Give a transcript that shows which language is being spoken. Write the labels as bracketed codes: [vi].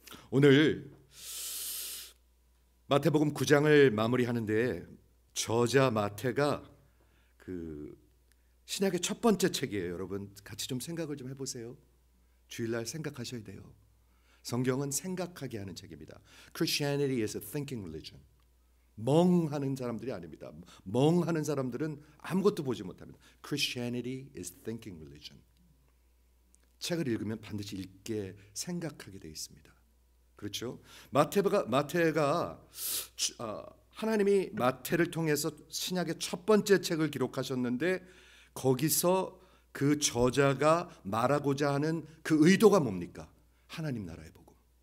[ko] 오늘 마태복음 9장을 마무리하는데, 저자 마태가 그 신약의 첫 번째 책이에요. 여러분 같이 좀 생각을 좀 해보세요. 주일날 생각하셔야 돼요. 성경은 생각하게 하는 책입니다. [en] Christianity is a thinking religion. [ko] 멍하는 사람들이 아닙니다. 멍하는 사람들은 아무것도 보지 못합니다. [en] Christianity is thinking religion. [ko] 책을 읽으면 반드시 읽게 생각하게 되어 있습니다. 그렇죠? 마태가 하나님이 마태를 통해서 신약의 첫 번째 책을 기록하셨는데 거기서 그 저자가 말하고자 하는 그 의도가 뭡니까? 하나님 나라의 복음.